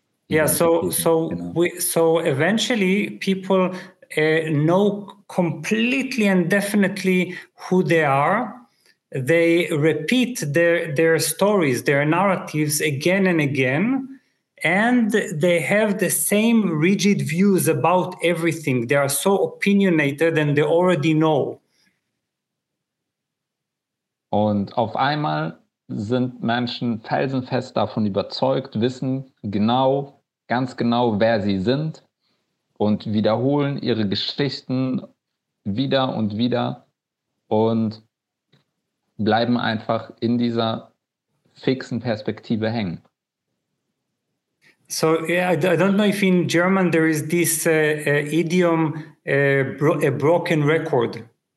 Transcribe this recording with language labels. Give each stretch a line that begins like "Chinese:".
English: Yeah, so eventually people know completely and definitely who they are. They repeat their stories, their narratives again and again, and they have the same rigid views about everything. They are so opinionated and they already know.
German: Und auf einmal sind Menschen felsenfest davon überzeugt, wissen genau, ganz genau, wer sie sind und wiederholen ihre Geschichten wieder und wieder und bleiben einfach in dieser fixen Perspektive hängen.
English: So, I don't know if in German there is this idiom, a broken record.